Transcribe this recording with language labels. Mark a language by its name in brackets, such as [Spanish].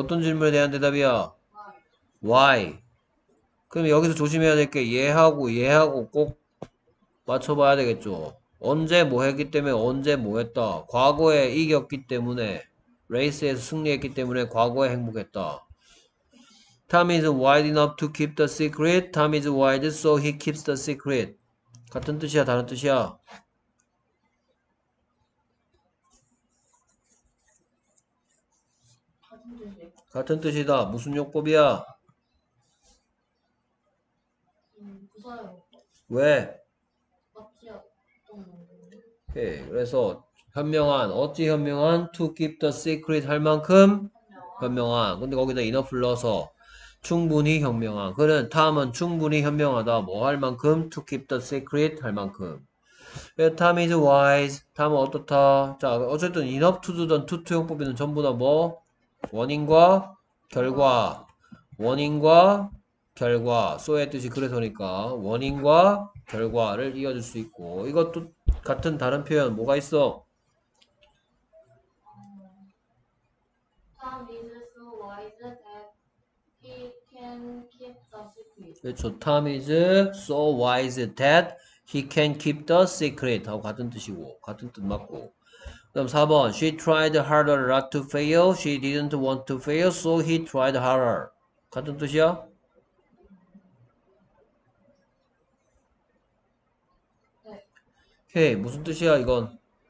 [Korean] 어떤 질문에 대한 대답이야? [English] Why? [Korean] 그럼 여기서 조심해야 될게 얘하고 얘하고 꼭 맞춰봐야 되겠죠. 언제 뭐 했기 때문에 언제 뭐 했다. 과거에 이겼기 때문에 레이스에서 승리했기 때문에 과거에 행복했다. [English] Tom is wise enough to keep the secret. Tom is wise, so he keeps the secret. [Korean] 같은 뜻이야, 다른 뜻이야? 같은 뜻이다. 무슨 용법이야? 부사요. 왜? 어떤 오케이. 그래서 현명한, 어찌 현명한? [English] To keep the secret [Korean] 할 만큼 현명한. 근데 거기다 enough 넣어서 충분히 현명한. 그는 탐은 충분히 현명하다. 뭐할 만큼? [English] To keep the secret [Korean] 할 만큼. [English] 탐 is wise. [Korean] 탐은 어떻다? 자, 어쨌든 enough to do든 to 용법이든 전부 다 뭐? 원인과 결과, 원인과 결과, 소의 뜻이 그래서니까, 원인과 결과를 이어줄 수 있고, 이것도 같은 다른 표현, 뭐가 있어? [English] Tom is so wise that he can keep the secret. [Korean] 그렇죠. [English] Tom is so wise that he can keep the secret. [Korean] 하고 같은 뜻이고, 같은 뜻 맞고. 그럼 4번. [English] She tried harder not to fail. She didn't want to fail, so he tried harder. 같은 뜻이야? [Korean] 오케이. 무슨 뜻이야, 이건?